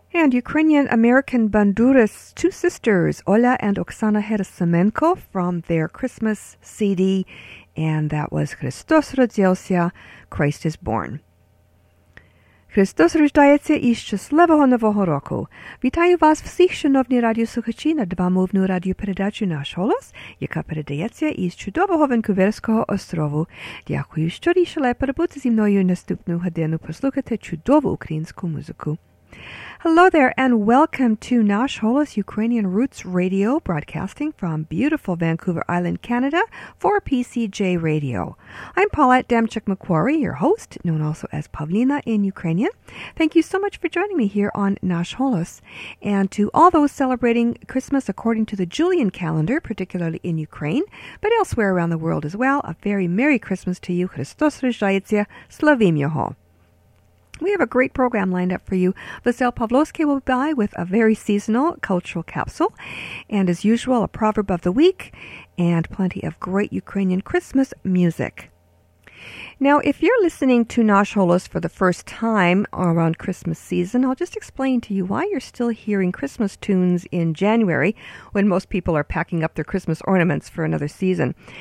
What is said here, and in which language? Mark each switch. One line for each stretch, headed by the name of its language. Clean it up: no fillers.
English: Ukrainian-American Bandura's two sisters, Olya and Oksana Herasimenko, from their Christmas CD, and that was Christos Rodzielsia, Christ is Born.
Ukrainian: Христос рождається із щасливого Нового року. Вітаю вас всіх, шановні радіослухачі, на двомовну радіопередачу «Наш голос», яка передається із чудового Ванкуверського острову. Дякую, що рішили перебути зі мною наступну годину послухати чудову українську музику.
English: Hello there, and welcome to Nash Holos Ukrainian Roots Radio, broadcasting from beautiful Vancouver Island, Canada, for PCJ Radio. I'm Paulette Demchuk-McQuarrie, your host, known also as Pavlina in Ukrainian. Thank you so much for joining me here on Nash Holos. And to all those celebrating Christmas according to the Julian calendar, particularly in Ukraine, but elsewhere around the world as well, a very Merry Christmas to you.
Ukrainian: Христос рождається, славим його.
English: We have a great program lined up for you. Vasel Pavlovsky will be by with a very seasonal cultural capsule. And as usual, a proverb of the week and plenty of great Ukrainian Christmas music. Now, if you're listening to Nash Holos for the first time around Christmas season, I'll just explain to you why you're still hearing Christmas tunes in January when most people are packing up their Christmas ornaments for another season.